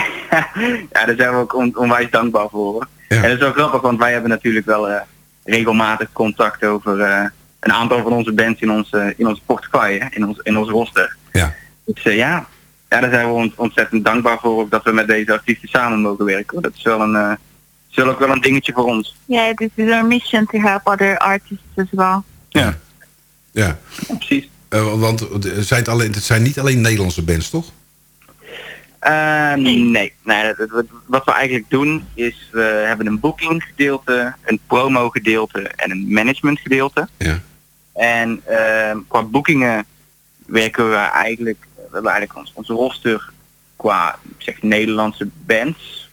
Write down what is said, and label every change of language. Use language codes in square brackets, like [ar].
[nl] Ja, daar zijn we ook onwijs dankbaar voor. Ja. En dat is wel grappig, want wij hebben natuurlijk wel regelmatig contact over een aantal van onze bands in onze portefeuille, in ons roster. Ja. Dus ja, daar zijn we ontzettend dankbaar voor ook dat we met deze artiesten samen mogen werken. Dat is wel een zullen ook wel een dingetje voor ons. Ja, [en] yeah, this is our mission to help other artists as well. [nl] Ja. Ja. Precies. Want zijn het zijn niet alleen Nederlandse bands, toch? Nee. Wat we eigenlijk doen is we hebben een booking gedeelte, een promo gedeelte en een management gedeelte. Ja. En qua boekingen werken we eigenlijk, onze roster qua zeg Nederlandse bands.